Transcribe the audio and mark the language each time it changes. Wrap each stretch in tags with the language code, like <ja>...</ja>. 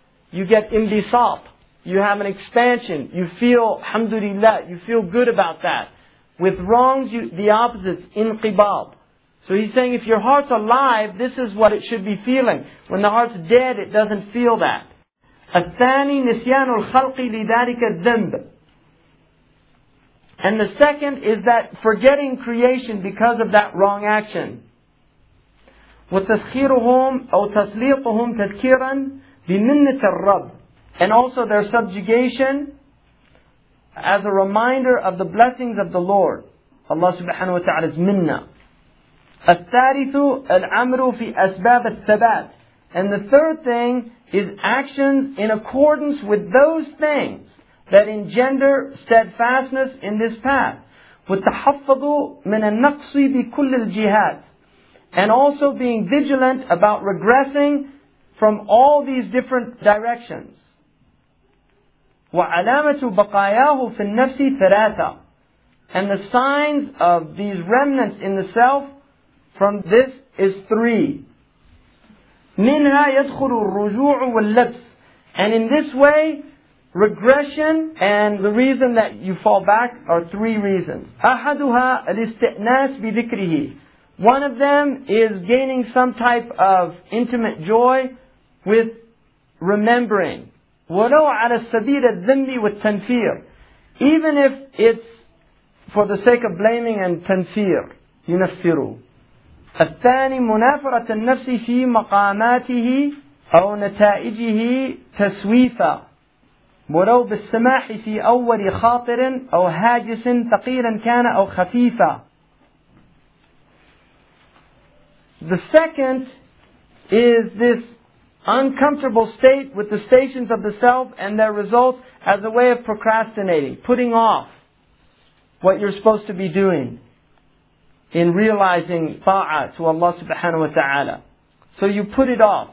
<en>You get imbisaf. You have an expansion. You feel, alhamdulillah, you feel good about that. With wrongs, the opposite is inqibab. So he's saying if your heart's alive, this is what it should be feeling. When the heart's dead, it doesn't feel that.</en> <ar>الثاني نسيان الخلق لذلك الذنب.</ar> <en>And the second is that forgetting creation because of that wrong action.</en> <ar>وتسخيرهم أو تسليقهم تذكيرا بمنة الرب.</ar> <en>And also their subjugation as a reminder of the blessings of the Lord. Allah subhanahu wa ta'ala is minna.</en> <ar>الثالث الأمر في أسباب الثبات.</ar> <en>And the third thing is actions in accordance with those things that engender steadfastness in this path.</en> <ar>وَتَحَفَّظُ مِنَ النَّقْصِ بِكُلِّ الْجِهَادِ.</ar> <en>And also being vigilant about regressing from all these different directions.</en> <ar>وَعَلَامَةُ بَقَايَاهُ فِي النَّفْسِ ثَلَاثًا.</ar> <en>And the signs of these remnants in the self from this is three.</en> <ar>مِنْهَا يَدْخُلُ الرُّجُوعُ وَاللَّبْسِ.</ar> <en>And in this way, regression and the reason that you fall back are three reasons.</en> <ar>أَحَدُهَا الْإِسْتِئْنَاسِ بِذِكْرِهِ.</ar> <en>One of them is gaining some type of intimate joy with remembering.</en> <ar>وَلَوْ عَلَى السَّبِيلَ الذِّمِّ وَالتَّنْفِيرِ.</ar> <en>Even if it's for the sake of blaming and تَنْفِيرِ.</en> <ar>يُنَفِّرُ. الثاني منافرة النفس في مقاماته أو نتائجه تسويفا ولو بالسماح في أول خاطر أو هاجس ثقيلا كان أو خفيفا.</ar> <en>The second is this uncomfortable state with the stations of the self and their results as a way of procrastinating, putting off what you're supposed to be doing in realizing ta'a to Allah subhanahu wa ta'ala. So you put it off.</en>